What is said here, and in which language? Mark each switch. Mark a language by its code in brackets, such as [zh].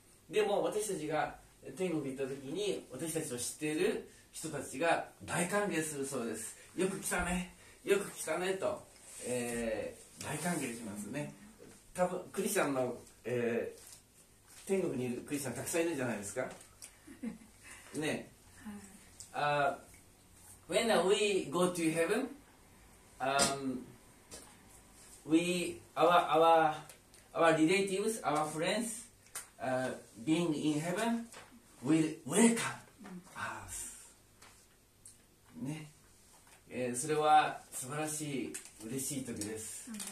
[ja] でも私たちが天国に行った時に、私たちを知っている人たちが大歓迎するそうです。よく来たね、よく来たねと、大歓迎しますね。多分クリスチャンの、天国にいるクリスチャンたくさんいるんじゃないですかね。 [en] When we go to heaven, our relatives, our friends, being in heaven, will welcome us. ね。 [ja] それは素晴らしい、嬉しい時です。